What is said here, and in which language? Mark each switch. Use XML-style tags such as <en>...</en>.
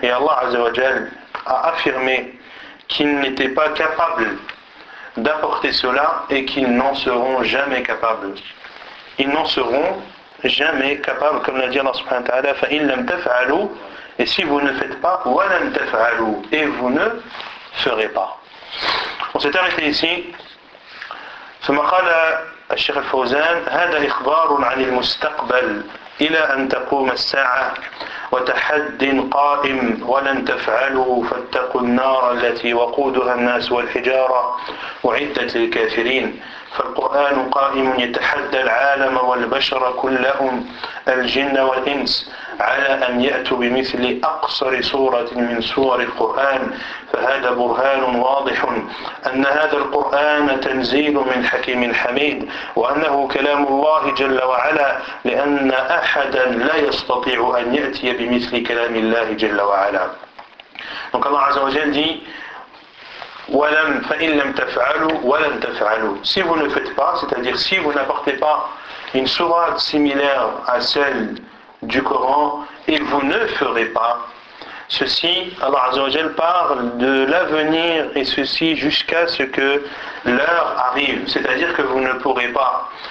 <fr>Et Allah azza wa jal a affirmé qu'ils n'étaient pas capables d'apporter cela et qu'ils n'en seront jamais capables. Ils n'en seront jamais capables, comme l'a dit Allah subhanahu wa ta'ala,</fr> <ar>فَإِنْ لَمْ تَفْعَلُوا,</ar> <fr>et si vous ne faites pas,</fr> <ar>وَلَمْ تَفْعَلُوا,</ar> <fr>et vous ne ferez pas. On s'est arrêté ici.</fr> <ar>ثم قال الشيخ الفوزان هذا إخبار عن المستقبل إلى أن تقوم الساعة وتحد قائم ولن تفعلوا فاتقوا النار التي وقودها الناس والحجارة أعدت للكافرين. فالقرآن قائم يتحدى العالم والبشر كلهم الجن والإنس على أن يأتوا بمثل أقصر سورة من سور القرآن، فهذا برهان واضح أن هذا القرآن تنزيل من حكيم حميد، وأنه كلام الله جل وعلا، لأن أحدا لا يستطيع أن يأتي بمثل كلام الله جل وعلا.</ar> <fr>Donc Allah عز وجل dit</fr> <ar>ولم فإن لم تفعلوا ولن تفعلوا.</ar> <fr>Si vous ne faites pas, c'est-à-dire si vous n'apportez pas une sourate similaire à celle du Coran, et vous ne ferez pas. Ceci, Allah Azza wa Jal parle de l'avenir, et ceci jusqu'à ce que l'heure arrive, c'est-à-dire que vous ne pourrez pas.</fr>